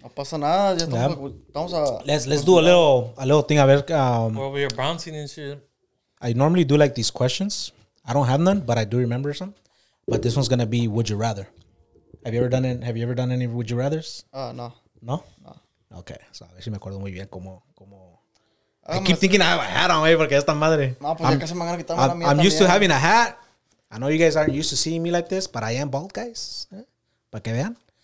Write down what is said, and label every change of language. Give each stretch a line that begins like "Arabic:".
Spanish: No pasa nada. Ya estamos.
English: Yeah.
Spanish: Estamos a,
English: let's do a little thing.
Spanish: A ver.
English: We're over here bouncing and shit. I normally do like these questions. I don't have none, but I do remember some. But this one's gonna be: would you rather? Have you ever done any would you rathers? No. Okay.
Spanish: So, a ver si me acuerdo muy bien como
English: I keep thinking I have a hat on,
Spanish: wey, porque esta madre.
English: I'm used to having a hat. I know you guys aren't used to seeing me like this, but I am bald, guys.
Spanish: Para que vean.